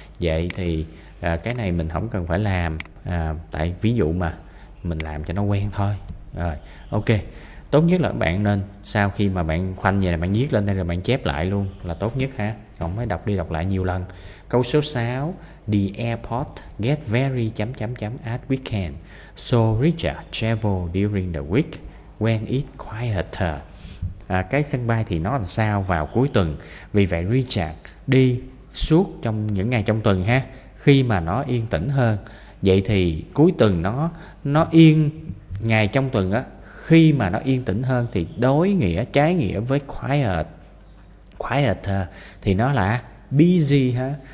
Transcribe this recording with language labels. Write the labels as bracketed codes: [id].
[vi] Vậy thì cái này mình không cần phải làm. Tại ví dụ mà mình làm cho nó quen thôi. Rồi ok. Tốt nhất là bạn nên sau khi mà bạn khoanh vậy này, bạn viết lên đây rồi bạn chép lại luôn là tốt nhất ha. Không phải đọc đi đọc lại nhiều lần. Câu số 6. [en] The airport get very at weekend. So Richard travel during the week when it's quieter. [vi] Cái sân bay thì nó làm sao vào cuối tuần. Vì vậy Richard đi suốt trong những ngày trong tuần ha, khi mà nó yên tĩnh hơn. Vậy thì cuối tuần nó yên, ngày trong tuần á, khi mà nó yên tĩnh hơn thì đối nghĩa, trái nghĩa với quiet, quieter thì nó là busy ha.